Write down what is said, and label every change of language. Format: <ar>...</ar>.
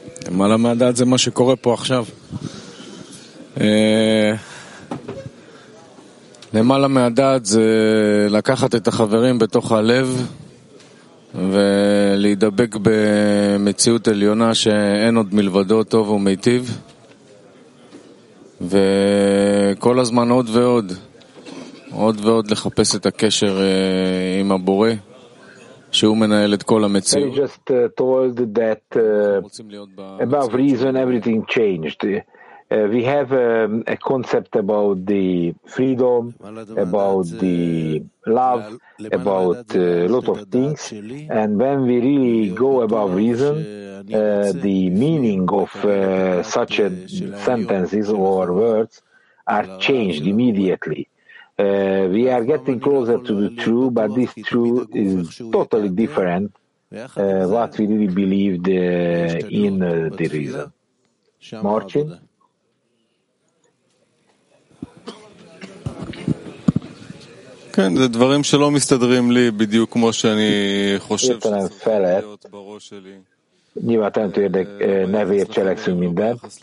<he>מה למדעת זה מה שקורה פה עכשיו למעלה מהדעת זה לקחת את החברים בתוך הלב ולהידבק במציאות עליונה שאין עוד מלבדו טוב ומיטיב וכל הזמן עוד ועוד עוד ועוד לחפש את הקשר עם הבורא</he> <en>You just told that above reason everything changed. We have a concept about the freedom, about the love, about a lot of things. And when we really go above reason, the meaning of such a sentences or words are changed immediately. We are getting closer to the truth, but this truth is totally different what we really believed in the reason. Martin?</en> <he>כן, זה דברים שלא מסתדרים לי בדיוק כמו שאני חושב שזה צריך להיות בראש שלי.</he> <hu>Nyilván teremtő érdek nevéért cselekszünk minden.</hu>